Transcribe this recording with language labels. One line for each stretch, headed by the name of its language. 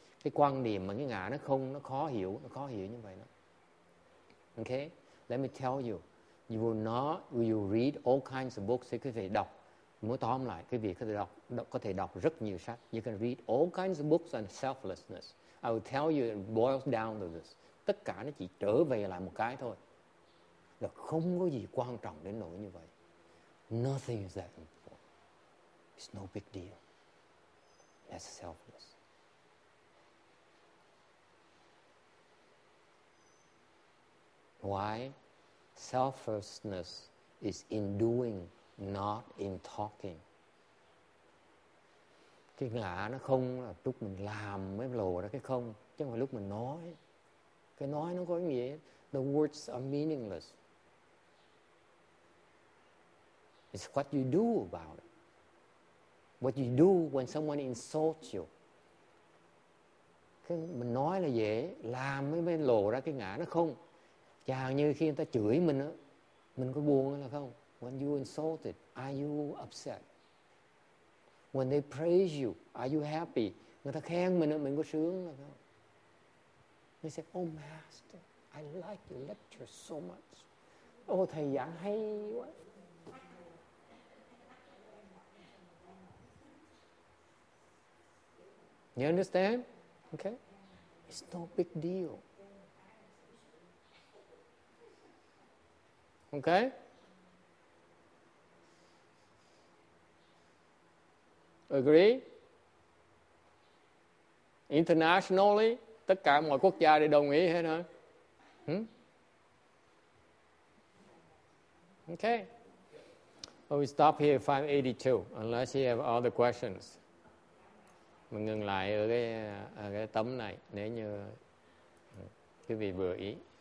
Vietnamese: Cái quan điểm mà cái ngã nó không, nó khó hiểu như vậy đó.
English: Okay, let me tell you, you read all kinds of books.
Vietnamese: Thì quý vị đọc, muốn tóm lại, quý vị có thể đọc rất nhiều sách.
English: You can read all kinds of books on selflessness. I will tell you, it boils down to this.
Vietnamese: Tất cả nó chỉ trở về lại một cái thôi. Là không có gì quan trọng đến nỗi như vậy.
English: Nothing is that important. It's no big deal. That's selfless. Why? Selflessness is in doing, not in talking.
Vietnamese: Cái ngã nó không là lúc mình làm mới lộ ra cái không, chứ không phải lúc mình nói. Cái nói nó có nghĩa.
English: The words are meaningless. It's what you do about it. What you do when someone insults you.
Vietnamese: Cái mình nói là dễ, làm mới lộ ra cái ngã nó không. Chẳng như khi người ta chửi mình á, mình có buồn hay là không?
English: When you insulted, are you upset? When they praise you, are you happy?
Vietnamese: Người ta khen mình á, mình có sướng hay là không?
English: He said, "Oh, Master, I like your lecture so much.
Vietnamese: Oh, thầy giảng hay quá."
English: You understand? Okay? It's no big deal. Okay? Agree?
Vietnamese: Internationally, tất cả mọi quốc gia đều đồng ý hết hả?
English: Okay. Well, we stop here at 582, unless you have other questions.
Vietnamese: Mình ngừng lại ở cái tấm này, nếu như quý vị vừa ý.